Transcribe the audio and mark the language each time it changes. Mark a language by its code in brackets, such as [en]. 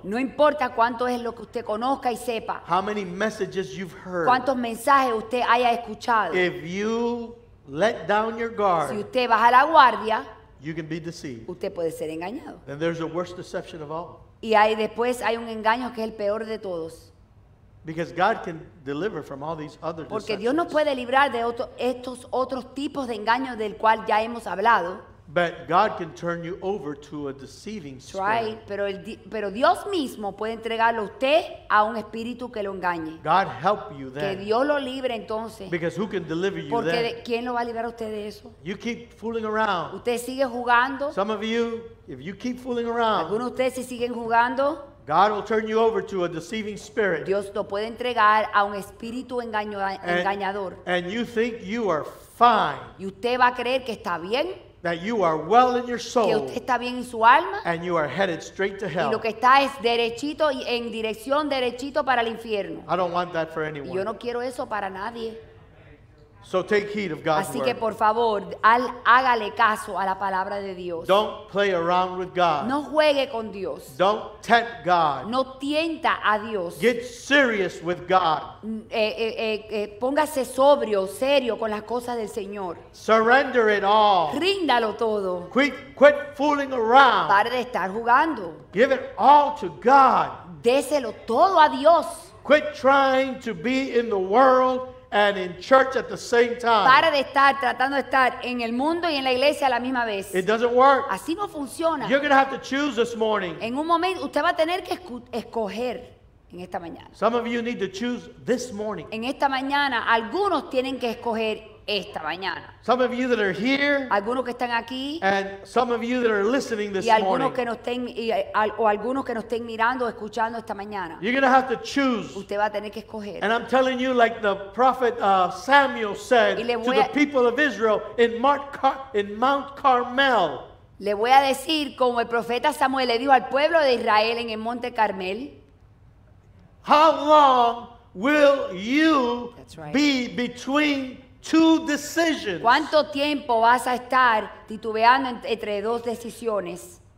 [es] No importa cuánto es lo que usted conozca y sepa. [en] How many messages you've heard. [es] Cuántos mensajes usted haya escuchado. [en] If you let down your guard. [es] Si usted baja la guardia. [en] You can be deceived. [es] Usted puede ser engañado. [en] Then there's the worst deception of all. [es] Y hay después hay un engaño que es el peor de todos. [en] Because God can deliver from all these other deceptions. [es] Porque Dios nos puede librar de otro, estos otros tipos de engaños del cual ya hemos hablado. [en] But God can turn you over to a deceiving spirit. [es] Right, pero Dios mismo puede entregarlo usted a un espíritu que lo engañe. [en] God help you then. [es] Que Dios lo libre entonces. [en] Because who can deliver you [es] porque [en] then? [es] Porque ¿quién lo va a liberar usted de eso? [en] You keep fooling around. [es] Usted sigue jugando. [en] Some of you, if you keep fooling around. [es] Algunos de ustedes si siguen jugando. [en] God will turn you over to a deceiving spirit. [es] Dios lo puede entregar a un espíritu engañador. [en] And you think you are fine. [es] Y usted va a creer que está bien. [en] That you are well in your soul. [es] Que usted está bien en su alma. [en] And you are headed straight to hell. [es] Y lo que está es derechito y en dirección derechito para el infierno. [en] I don't want that for anyone. [es] Yo no quiero eso para nadie. [en] So take heed of God's word. [es] Así que por favor, hágale caso a la palabra de Dios. [en] Don't play around with God. [es] No juegue con Dios. [en] Don't tempt God. [es] No tienta a Dios. [en] Get serious with God. [es] Póngase sobrio, serio con las cosas del Señor. [en] Surrender it all. [es] Ríndalo todo. [en] Quit fooling around. [es] Pare de estar jugando. [en] Give it all to God. [es] Déselo todo a Dios. [en] Quit trying to be in the world and in church at the same time. [es] Para de estar tratando de estar en el mundo y en la iglesia a la misma vez. [en] It doesn't work. [es] Así no funciona. [en] You're going to have to choose this morning. [es] En un momento usted va a tener que escoger en esta mañana. [en] Some of you need to choose this morning. [es] En esta mañana algunos tienen que escoger esta mañana. [en] Some of you that are here. [es] Algunos que están aquí. [en] And some of you that are listening this morning. [es] Y algunos [en] morning, [es] que nos estén o algunos que nos estén mirando o escuchando esta mañana. [en] You're going to have to choose. [es] Usted va a tener que escoger. [en] And I'm telling you like the prophet Samuel said to the people of Israel in Mount Carmel. [es] Le voy a decir como el profeta Samuel le dijo al pueblo de Israel en el Monte Carmel. [en] How long will you be between two decisions? [es] ¿Cuánto tiempo vas a estar titubeando entre dos decisiones?